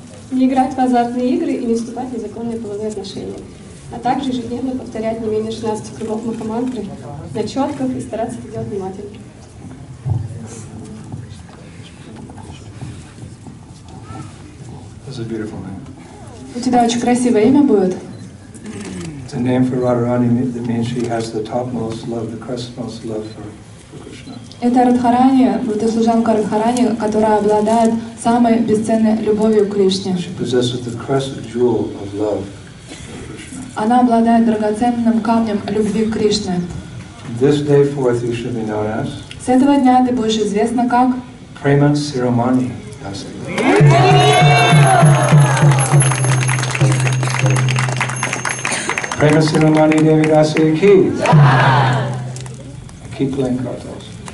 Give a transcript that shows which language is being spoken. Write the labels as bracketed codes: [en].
[ru] не играть в азартные игры и не вступать в незаконные половые отношения, а также ежедневно повторять не менее 16 кругов махамантры на четках и стараться это делать внимательно. [en] That's a beautiful name. [ru] У тебя очень красивое имя будет. [en] It's a name for Radharani that means she has the topmost love, the crestmost love for Krishna. [ru] Это Радхарани, это служанка Радхарани, которая обладает самой бесценной любовью к Кришне. [en] She possesses the crest jewel of love for Krishna. [ru] Она обладает драгоценным камнем любви к Кришне. [en] This day forth you should be known as. [ru] С этого дня ты будешь известна как. [en] Prema Siromani. Prema Siromani Devi Dasi Ki. I keep playing cards also.